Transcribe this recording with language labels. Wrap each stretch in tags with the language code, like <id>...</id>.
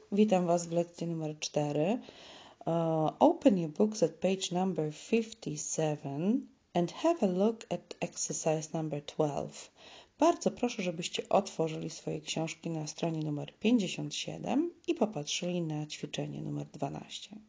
<pl>Witam Was w lekcji numer 4.</pl> <en>Open your books at page number 57 and have a look at exercise number 12.</en> <pl>Bardzo proszę, żebyście otworzyli swoje książki na stronie numer 57 i popatrzyli na ćwiczenie numer 12.</pl>